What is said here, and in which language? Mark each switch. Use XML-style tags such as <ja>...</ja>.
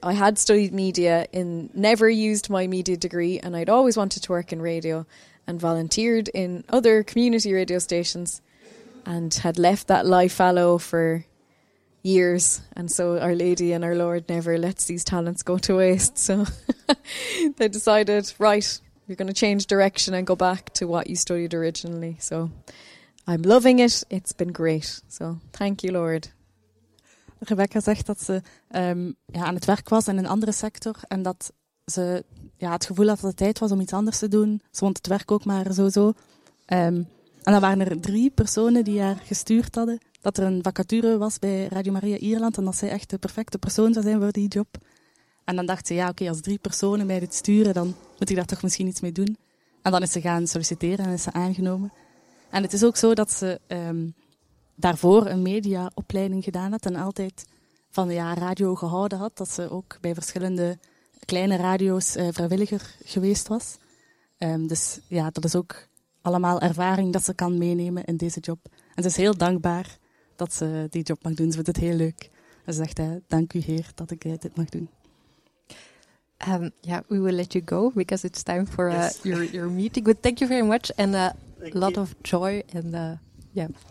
<en>I had studied media and never used my media degree, and I'd always wanted to work in radio and volunteered in other community radio stations and had left that lie fallow for years, and so Our Lady and Our Lord never lets these talents go to waste, so they decided, right, you're going to change direction and go back to what you studied originally. So I'm loving it, it's been great, so thank you Lord.</en> <nl>Rebecca zegt dat ze aan het werk was in een andere sector en dat ze het gevoel had dat het tijd was om iets anders te doen. Ze vond het werk ook maar zo. En dan waren er 3 personen die haar gestuurd hadden dat er een vacature was bij Radio Maria Ierland en dat zij echt de perfecte persoon zou zijn voor die job. En dan dacht ze, als 3 personen mij dit sturen, dan moet ik daar toch misschien iets mee doen. En dan is ze gaan solliciteren en is ze aangenomen. En het is ook zo dat ze daarvoor een mediaopleiding gedaan had en altijd van radio gehouden had. Dat ze ook bij verschillende kleine radio's vrijwilliger geweest was. Dus dat is ook allemaal ervaring dat ze kan meenemen in deze job. En ze is heel dankbaar dat ze die job mag doen. Ze vindt het heel leuk. En ze zegt, dank u Heer dat ik dit mag doen.</nl> <en>We will let you go because it's time for your meeting. But thank you very much and a lot of joy in the... Yeah.</en>